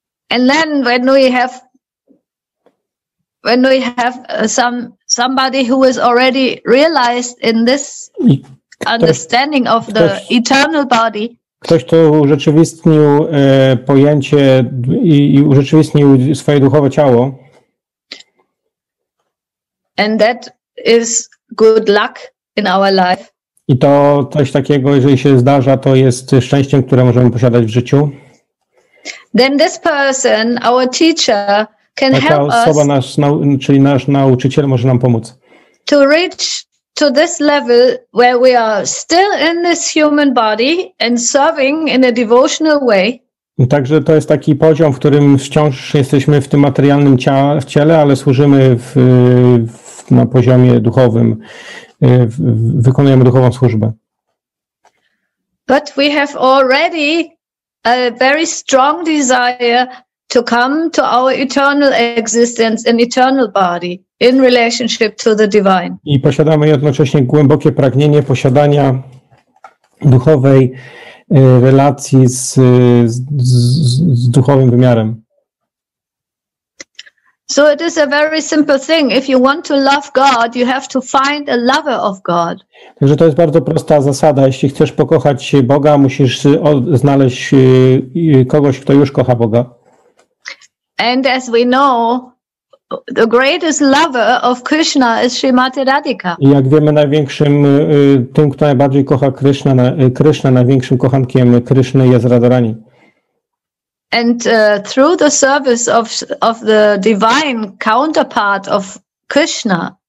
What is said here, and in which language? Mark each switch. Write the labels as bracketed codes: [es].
[en] And then when we have somebody who is already realized in this understanding of the eternal body. [pl] Ktoś, kto urzeczywistnił pojęcie i urzeczywistnił swoje duchowe ciało. [en] And that is good luck in our life. [pl] I to coś takiego, jeżeli się zdarza, to jest szczęściem, które możemy posiadać w życiu. [en] Then this person, our teacher, can help us. [pl] Ta osoba, czyli nasz nauczyciel, może nam pomóc. [en] To reach to this level where we are still in this human body and serving in a devotional way. [pl] Także to jest taki poziom, w którym wciąż jesteśmy w tym materialnym ciele, ale służymy na poziomie duchowym, wykonujemy duchową służbę. [en] But we have already a very strong desire to come to our eternal existence and eternal body in relationship to the divine. [pl] I posiadamy jednocześnie głębokie pragnienie posiadania duchowej relacji z duchowym wymiarem. [en] So it is a very simple thing. If you want to love God, you have to find a lover of God. [pl] Także to jest bardzo prosta zasada. Jeśli chcesz pokochać Boga, musisz znaleźć kogoś, kto już kocha Boga. [en] And as we know, the greatest lover of Krishna is Srimati Radhika. [pl] I jak wiemy, największym tym, kto najbardziej kocha Krishna, największym kochankiem Krishny jest Radharani. [en] And through the service of the divine counterpart of Krishna.